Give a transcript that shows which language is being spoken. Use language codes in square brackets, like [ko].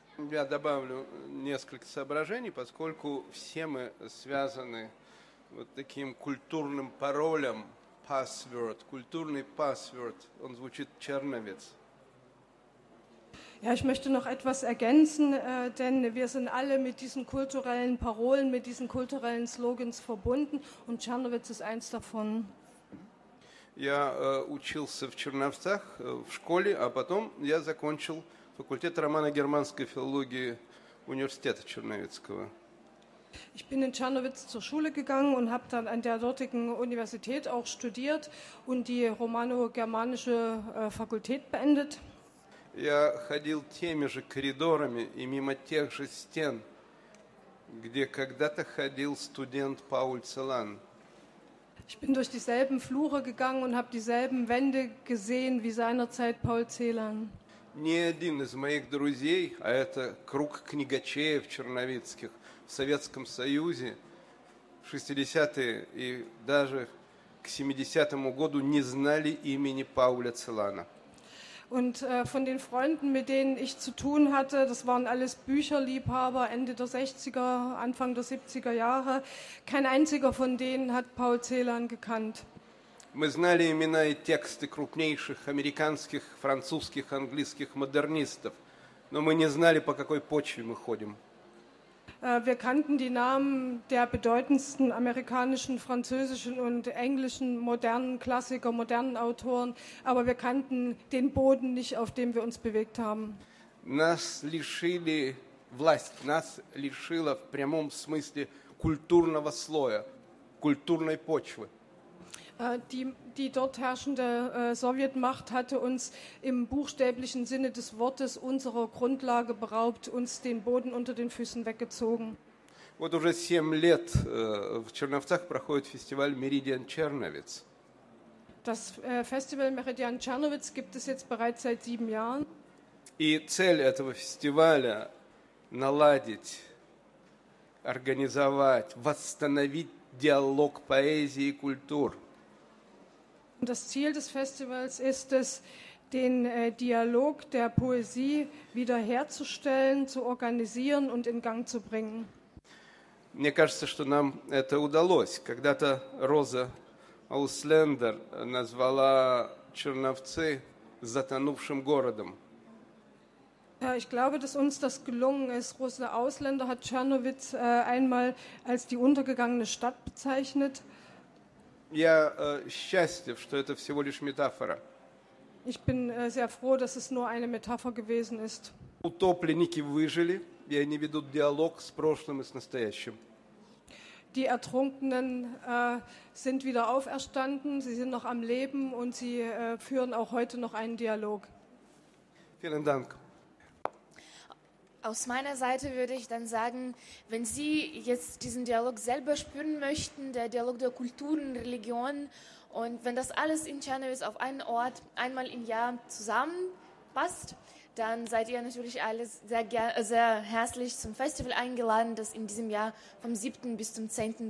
[ru] Я добавлю несколько соображений, поскольку все мы связаны вот таким культурным паролем, password, культурный password, он звучит Czernowitz. [de] Ja, ich möchte noch etwas ergänzen, denn wir sind alle mit diesen kulturellen Parolen, mit diesen kulturellen Slogans verbunden, und Czernowitz ist eins davon. [ru] Я учился в Черновцах в школе, а потом я закончил факультет романо-германской филологии университета Черновицкого. [de] Ich bin in Czernowitz zur Schule gegangen und habe dann an der dortigen Universität auch studiert und die romano-germanische Fakultät beendet. [ru] Я ходил теми же коридорами и мимо тех же стен, где когда-то ходил студент Пауль Целан. [de] Ich bin durch dieselben Flure gegangen und habe dieselben Wände gesehen wie seinerzeit Paul Celan. [ru] Ни один из моих друзей, а это круг книгачеев черновицких в Советском Союзе в 60-е и даже к 70-му году не знали имени Пауля Целана. [de] Und von den Freunden, mit denen ich zu tun hatte, das waren alles Bücherliebhaber, Ende der 60er, Anfang der 70er Jahre, kein einziger von denen hat Paul Celan gekannt. [ru] Мы знали имена и тексты крупнейших американских, французских, английских модернистов, но мы не знали, по какой почве мы ходим. [de] Wir kannten die Namen der bedeutendsten amerikanischen, französischen und englischen modernen Klassiker, modernen Autoren, aber wir kannten den Boden nicht, auf dem wir uns bewegt haben. [ru] Нас лишили власть, нас лишило в прямом смысле культурного слоя, культурной почвы. [de] Die dort herrschende Sowjetmacht hatte uns im buchstäblichen Sinne des Wortes unserer Grundlage beraubt, uns den Boden unter den Füßen weggezogen. [ru] Вот уже 7 лет в Черновцах проходит фестиваль Meridian Czernowitz. [de] Das Festival Meridian Czernowitz gibt es jetzt bereits seit 7 Jahren. [ru] И цель этого фестиваля – наладить, организовать, восстановить диалог поэзии и культур. [de] Und das Ziel des Festivals ist es, den Dialog der Poesie wiederherzustellen, zu organisieren und in Gang zu bringen. [ru] Мне кажется, что нам это удалось. Когда-то Роза Ауслендер назвала Черновцы затонувшим городом. [de] Ich glaube, dass uns das gelungen ist. Rosa Ausländer hat Czernowitz einmal als die untergegangene Stadt bezeichnet. [ru] Я счастлив, что это всего лишь метафора. [de] Ich bin sehr froh, dass es nur eine Metapher gewesen ist. [ru] Утопленники выжили, и они ведут диалог с прошлым и с настоящим. [de] Die Ertrunkenen sind wieder auferstanden, sie sind noch am Leben und sie führen auch heute noch einen Dialog. Vielen Dank. Aus meiner Seite würde ich dann sagen, wenn Sie jetzt diesen Dialog selber spüren möchten, der Dialog der Kulturen, Religionen, und wenn das alles in Czernowitz auf einen Ort einmal im Jahr zusammenpasst, dann seid ihr natürlich alle sehr herzlich zum Festival eingeladen, das in diesem Jahr vom 7. bis zum 10.